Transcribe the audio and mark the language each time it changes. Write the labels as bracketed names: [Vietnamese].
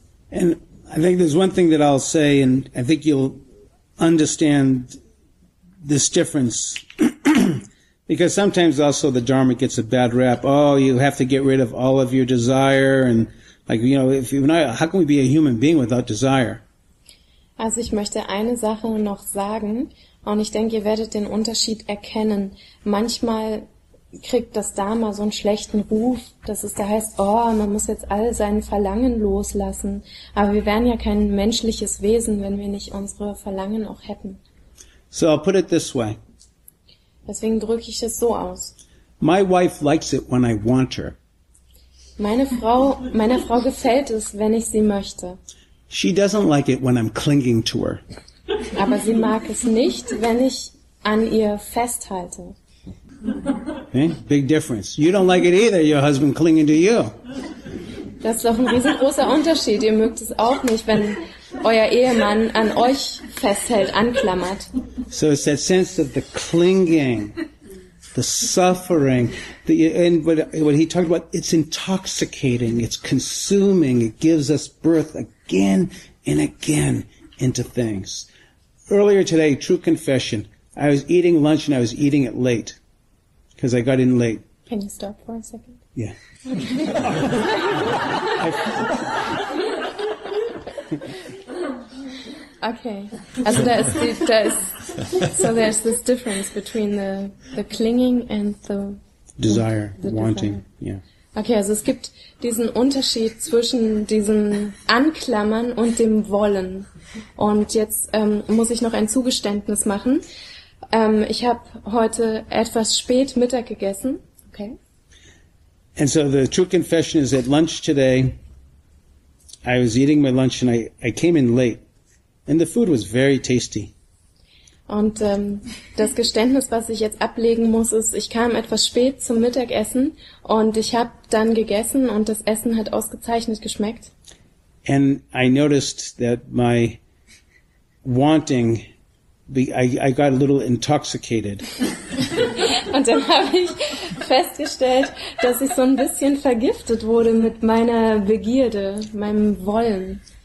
[English] And I think there's one thing that I'll say, and I think you'll understand this difference. Because sometimes also the Dharma gets a bad rap. Oh, you have to get rid of all of your desire. And like, you know, if you're not, how can we be a human being without desire? [German] Also ich möchte eine Sache noch sagen. Und ich denke, ihr werdet den Unterschied erkennen. Manchmal kriegt das Dharma so einen schlechten Ruf, dass es da heißt, oh, man muss jetzt all sein Verlangen loslassen. Aber wir wären ja kein menschliches Wesen, wenn wir nicht unsere Verlangen auch hätten. [English] So I'll put it this way. [German] Deswegen drücke ich es so aus. [English] My wife likes it when I want her. [German] Meiner Frau gefällt es, wenn ich sie möchte. [English] She doesn't like it when I'm clinging to her. [German] Aber sie mag es nicht, wenn ich an ihr festhalte. [English] Okay, big difference. You don't like it either, your husband clinging to you. [German] Das ist doch ein riesengroßer Unterschied. Ihr mögt es auch nicht, wenn euer Ehemann an euch festhält, anklammert. [English] So it's that sense of the clinging, the suffering, and what he talked about, it's intoxicating, it's consuming, it gives us birth again and again into things. Earlier today, true confession, I was eating lunch and I was eating it late, because I got in late. Can you stop for a second? Yeah. Okay. Also there's this difference between the clinging and the desire, the wanting. Desire. Yeah. [German] Okay, also es gibt diesen Unterschied zwischen diesem Anklammern und dem Wollen. Und jetzt muss ich noch ein Zugeständnis machen. Ich habe heute etwas spät Mittag gegessen. Okay. [English] And so the true confession is at lunch today, I was eating my lunch and I came in late. And the food was very tasty. [German] Und das Geständnis, was ich jetzt ablegen muss, ist, ich kam etwas spät zum Mittagessen und ich habe dann gegessen und das Essen hat ausgezeichnet geschmeckt. [English] And I noticed that my wanting, I got a little intoxicated. [German] Und dann habe ich festgestellt, dass ich so ein bisschen vergiftet wurde mit meiner Begierde, meinem Wollen.